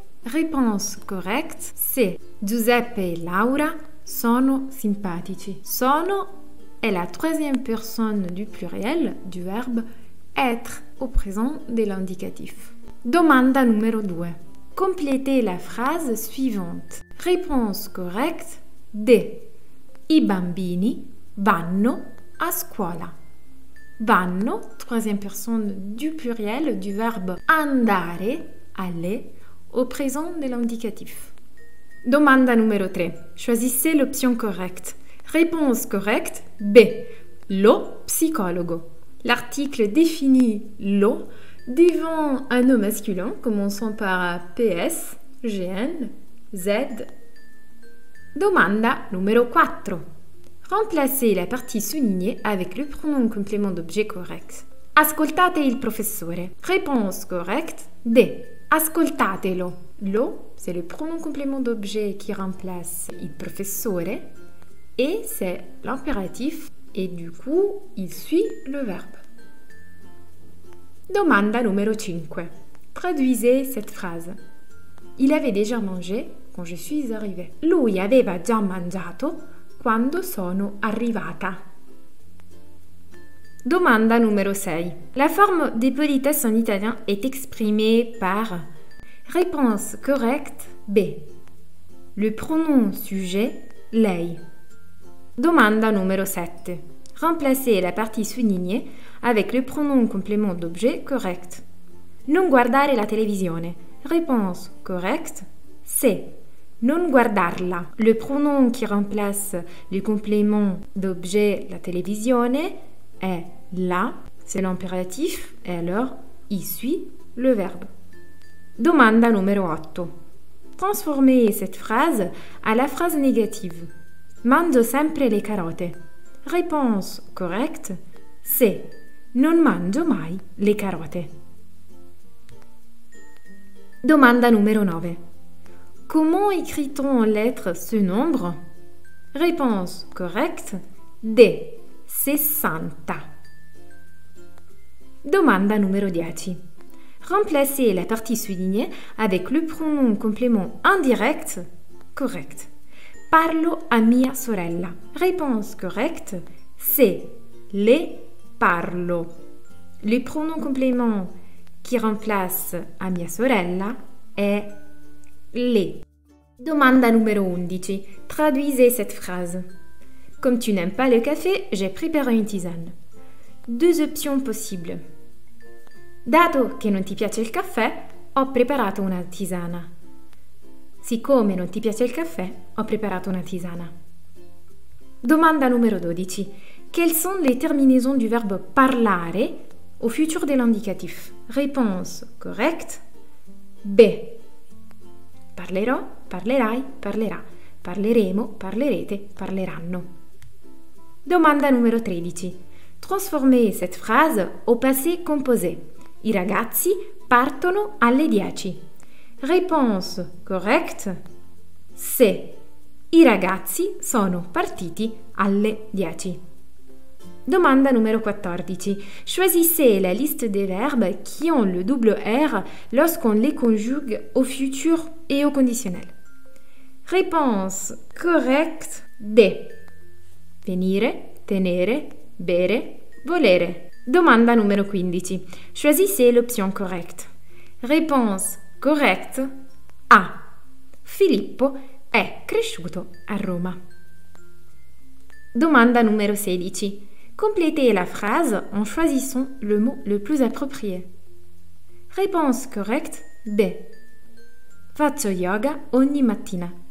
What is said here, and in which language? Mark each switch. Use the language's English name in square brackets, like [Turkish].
[French] Réponse correcte, c'est Giuseppe et Laura [Italian] sono simpatici. [French] Sono est la troisième personne du pluriel du verbe être au présent de l'indicatif. Domanda numéro 2. Complétez la phrase suivante. Réponse correcte, D. [Italian] I bambini vanno a scuola. [French] Vanno, troisième personne du pluriel du verbe andare, aller, au présent de l'indicatif. Domanda numéro 3. Choisissez l'option correcte. Réponse correcte, B. [Italian] Lo psicologo. [French] L'article définit lo devant un nom masculin commençant par PS, GN, Z. Domanda numéro 4. Remplacez la partie soulignée avec le pronom complément d'objet correct. [Italian] Ascoltate il professore. [French] Réponse correcte, D. [Italian] Ascoltatelo. [French] Lo, c'est le pronom complément d'objet qui remplace [Italian] il professore. [French] E, c'est l'impératif et du coup, il suit le verbe. Domanda numéro 5. Traduisez cette phrase. Il avait déjà mangé quand je suis arrivée. [Italian] Lui aveva già mangiato quando sono arrivata. [French] Domanda numéro 6. La forme des politesses en italien est exprimée par réponse correcte B. Le pronom sujet, lei. Domanda numéro 7. Remplacez la partie soulignée avec le pronom complément d'objet correct. [Italian] Non guardare la televisione. [French] Réponse correcte, C. [Italian] Non guardarla. [French] Le pronom qui remplace le complément d'objet [Italian] la televisione [French] est la. C'est l'impératif et alors il suit le verbe. Domanda numéro 8. Transformez cette phrase à la phrase négative. [Italian] Mangio sempre le carote. [French] Réponse correcte, C. [Italian] Non mangio mai le carote. [French] Domanda numéro 9. Comment écrit-on en lettres ce nombre? Réponse correcte, D. 60. Domanda numéro 10. Remplacez la partie soulignée avec le pronom complément indirect, correct. [Italian] Parlo a mia sorella. [French] Réponse correcte, C. [Italian] Le parlo. [French] Le pronom complément qui remplace [Italian] a mia sorella [French] est le. Domanda numéro 11. Traduisez cette phrase. Comme tu n'aimes pas le café, j'ai préparé une tisane. Deux options possibles. [Italian] Dato che non ti piace il caffè, ho preparato una tisana. Siccome non ti piace il caffè, ho preparato una tisana. [French] Domanda numéro 12. Quelles sont les terminaisons du verbe parlare au futur de l'indicatif? Réponse correcte. B. [Italian] Parlerò, parlerai, parlerà. Parleremo, parlerete, parleranno. [French] Domanda numéro 13. Transformez cette phrase au passé composé. [Italian] I ragazzi partono alle 10. [French] Réponse correcte, C. [Italian] I ragazzi sono partiti alle 10. [French] Domanda numéro 14. Choisissez la liste des verbes qui ont le double R lorsqu'on les conjugue au futur et au conditionnel. Réponse correcte, D. Venire, tenere, bere, volere. Domanda numéro 15. Choisissez l'option correcte. Réponse correcte, A. [Italian] Filippo è cresciuto a Roma. [French] Domanda numéro 16. Complétez la phrase en choisissant le mot le plus approprié. Réponse correcte, B. [Italian] Faccio yoga ogni mattina.